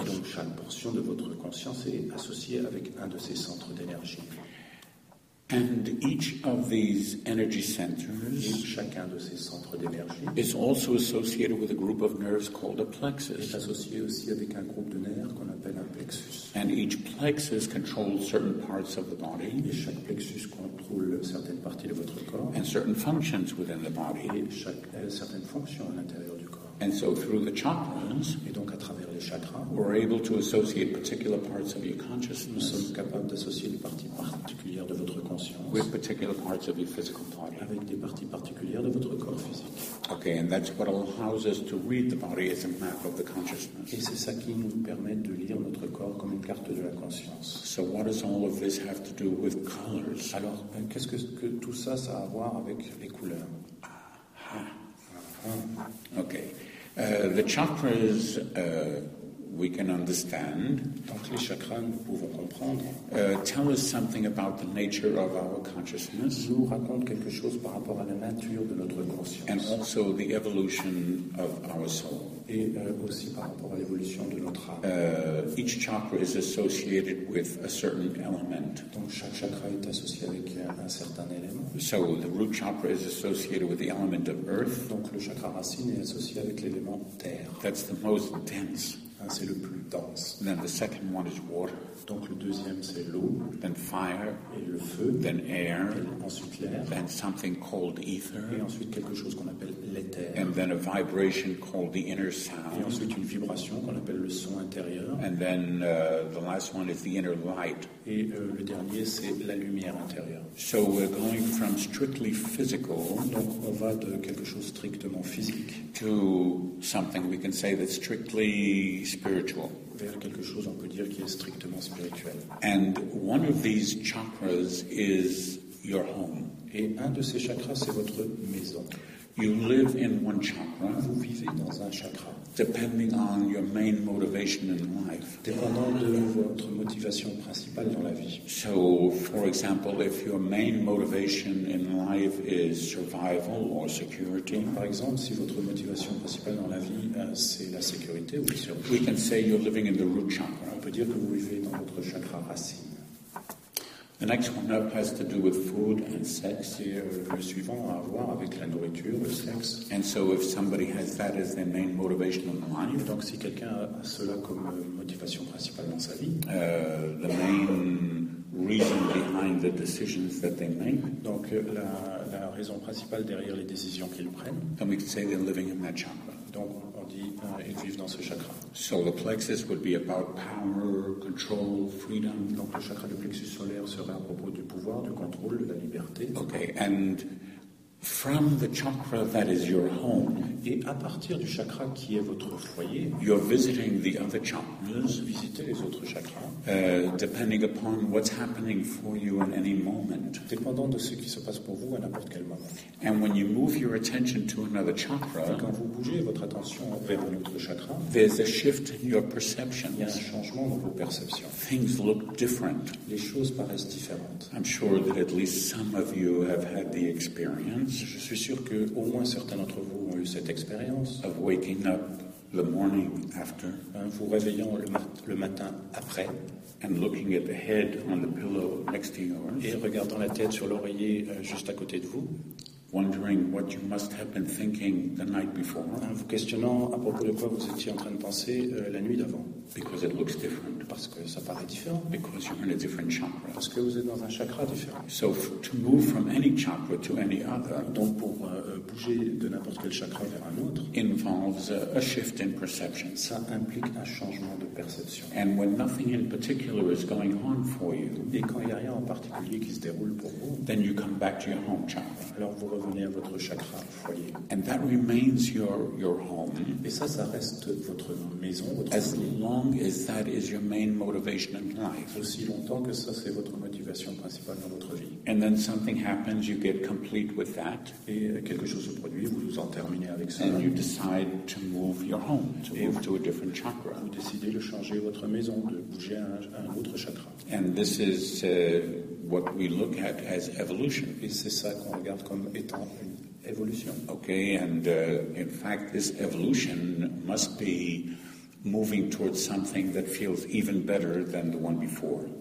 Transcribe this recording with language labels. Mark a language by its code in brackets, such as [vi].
[fr] Et donc chaque portion de votre conscience est associée avec un de ces centres d'énergie. [en] And each of these energy centers, [fr] et chacun de ces centres d'énergie, [en] is also associated with a group of nerves called a plexus. [fr] Est associé aussi avec un groupe de nerfs qu'on appelle un plexus. [en] And each plexus controls certain parts of the body. [fr] Et chaque plexus contrôle certaines parties de votre corps. [en] And certain functions within the body. [fr] Et certaines fonctions à l'intérieur du corps. [en] And so through the chakras, [fr] et donc à travers les chakras, [en] we're able to associate particular parts of your consciousness. [fr] Nous sommes capables d'associer une partie particulière de votre conscience [en] with particular parts of your physical body. [fr] Avec des parties particulières de votre corps physique. [en] Okay, and that's what allows us to read the body as a map of the consciousness. [fr] Et c'est ça qui nous permet de lire notre corps comme une carte de la conscience. [en] So what does all of this have to do with colors? [fr] Alors, qu'est-ce que tout ça, ça a à voir avec les couleurs? [en] Okay. The chakras we can understand. [fr] Donc les chakras, nous pouvons comprendre. [en] Tell us something about the nature of our consciousness. [fr] Nous raconte quelque chose par rapport à la nature de notre conscience. [en] And also the evolution of our soul. [fr] Et aussi par rapport à l'évolution de notre âme. [en] Each chakra is associated with a certain element. [fr] Donc chaque chakra est associé avec un certain élément. [en] So the root chakra is associated with the element of earth. [fr] Donc le chakra racine est associé avec l'élément terre. [en] That's the most dense. [fr] C'est le plus dense. [en] Then the second one is water. [fr] Donc le deuxième c'est l'eau. [en] Then fire. [fr] Et le feu. [en] Then air. [fr] Et ensuite l'air. [en] Then something called ether. [fr] Et ensuite quelque chose qu'on appelle l'éther. [en] And then a vibration called the inner sound. [fr] Et ensuite une vibration qu'on appelle le son intérieur. [en] And then the last one is the inner light. [fr] Et le dernier c'est la lumière intérieure. [en] So we're going from strictly physical. [fr] Donc on va de quelque chose strictement physique. [en] To something we can say that's strictly spiritual. [fr] Vers quelque chose on peut dire qui est strictement spirituel. [en] And one of these chakras is your home. [fr] Et un de ces chakras c'est votre maison. [en] You live in one chakra. [fr] Vous vivez dans un chakra. [en] Depending on your main motivation in life. [fr] Dépendant de votre motivation principale dans la vie. [en] So, for example, if your main motivation in life is survival or security. [fr] Donc, par exemple, si votre motivation principale dans la vie c'est la sécurité ou la survie. [en] We can say you're living in the root chakra. [fr] On peut dire que vous vivez dans votre chakra racine. [en] The next one up has to do with food and sex. [fr] Et le suivant a à voir avec la nourriture, le sexe. [en] And so if somebody has that as their main motivation in life, [fr] et donc si quelqu'un a cela comme motivation principale dans sa vie, [en] the main reason behind the decisions that they make, [fr] donc la raison principale derrière les décisions qu'ils prennent, [en] then we can say they're living in that chakra. [fr] Donc on dit ils vivent dans ce chakra. [en] So the plexus would be about power, control, freedom. [fr] Donc le chakra du plexus solaire serait à propos du pouvoir, du contrôle, de la liberté. [en] Okay, and From the chakra that is your home, [fr] et à partir du chakra qui est votre foyer, [en] you're visiting the other chakras, [fr] vous visitez les autres chakras, [en] depending upon what's happening for you at any moment, [fr] dépendant de ce qui se passe pour vous à n'importe quel moment. [en] And when you move your attention to another chakra, [fr] et quand vous bougez votre attention vers un autre chakra, [en] there's a shift in your perceptions. [fr] Il y a un changement dans vos perceptions. [en] Things look different. [fr] Les choses paraissent différentes. [en] I'm sure that at least some of you have had the experience. [fr] Je suis sûr que au moins certains d'entre vous ont eu cette expérience. [en] Of waking up the morning after, [fr] vous réveillant le matin après, [en] and looking at the head on the pillow next to yours, [fr] et regardant la tête sur l'oreiller juste à côté de vous, [en] wondering what you must have been thinking the night before, [fr] vous questionnant à propos de quoi vous étiez en train de penser la nuit d'avant. [en] Because it looks different. [fr] Parce que ça paraît différent. [en] Because you're in a different chakra. [fr] Parce que vous êtes dans un chakra différent. [en] So to move from any chakra to any other, [fr] donc pour bouger de n'importe quel chakra vers un autre, [en] involves a shift in perception. [fr] Ça implique un changement de perception. [en] And when nothing in particular is going on for you, [fr] et quand il n'y a rien en particulier qui se déroule pour vous, [en] then you come back to your home chakra. [fr] Alors vous revenez à votre chakra foyer. [en] And that remains your home. [fr] Et ça reste votre maison, votre [en] as [fr] foyer. [en] Is that is your main motivation in life? [fr] Aussi longtemps que ça, c'est votre motivation principale dans votre vie. [en] And then something happens, you get complete with that. [fr] Et quelque chose se produit, vous en terminez avec ça. [en] And you decide to move your home, to move to a different chakra. [fr] Vous décidez de changer votre maison, de bouger à un autre chakra. [en] And this is what we look at as evolution. [fr] Et c'est ça qu'on regarde comme étant une évolution. [en] Okay, and in fact, this evolution must be moving towards something that feels even better than the one before.